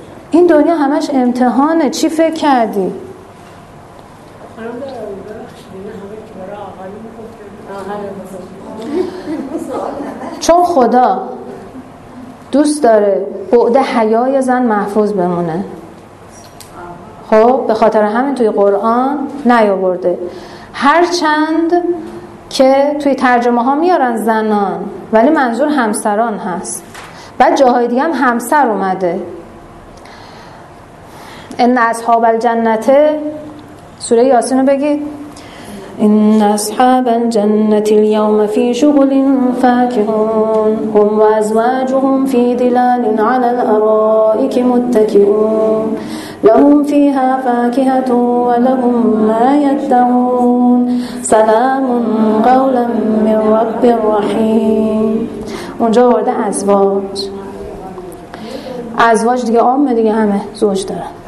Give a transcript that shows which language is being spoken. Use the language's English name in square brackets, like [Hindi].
[Persian] این دنیا همش امتحانه، چی فکر کردی؟ چون خدا دوست داره بعد حیای زن محفوظ بمونه، خب به خاطر همین توی قرآن نیاورده، هر چند که توی ترجمه ها میارن زنان، ولی منظور همسران هست. بعد جاهای دیگه هم همسر اومده. [Arabic] ان اصحاب الجنه، [Persian] سوره یاسین رو بگید، [Arabic] ان اصحاب الجنه اليوم في شغل فاكهون هم وازواجهم في ظلال على الارائك متكئون لهم فيها فاكهة ولهم ما يدعون سلام قولا من رب رحيم. [Persian] اونجا ورده ازواج، ازواج دیگه عامه دیگه، همه زوج دارن.